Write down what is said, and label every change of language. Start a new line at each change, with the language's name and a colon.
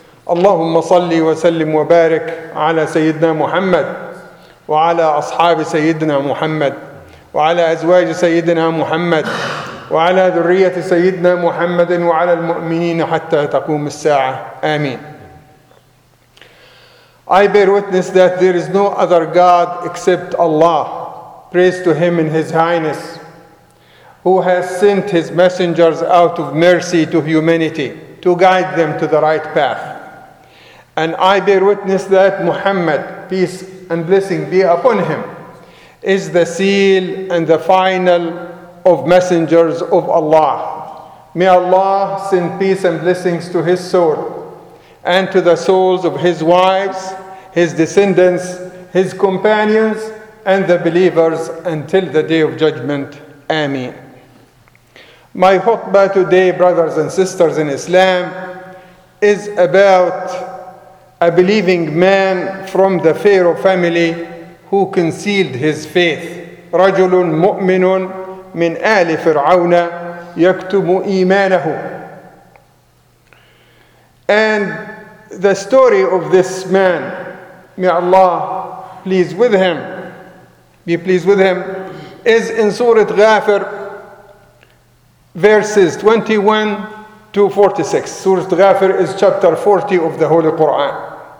Arabic: اللهم صلِّ وسلِّم وبارك على سيدنا محمد وعلى أصحاب سيدنا محمد وعلى أزواج سيدنا محمد وعلى ذرية سيدنا محمد وعلى المؤمنين حتى تقوم الساعة، آمين.
English: I bear witness that there is no other God except Allah. Praise to Him and His Highness, who has sent His messengers out of mercy to humanity to guide them to the right path. And I bear witness that Muhammad, peace and blessing be upon him, is the seal and the final of messengers of Allah. May Allah send peace and blessings to his soul and to the souls of his wives, his descendants, his companions, and the believers until the day of judgment. Ameen. My khutbah today, brothers and sisters in Islam, is about a believing man from the Pharaoh family who concealed his faith.
Arabic: رجل مؤمن من آل فرعون يكتم إيمانه.
English: And the story of this man, may Allah please with him, be pleased with him, is in Surah Ghafir, verses 21 to 46. Surah Ghafir is chapter 40 of the Holy Quran.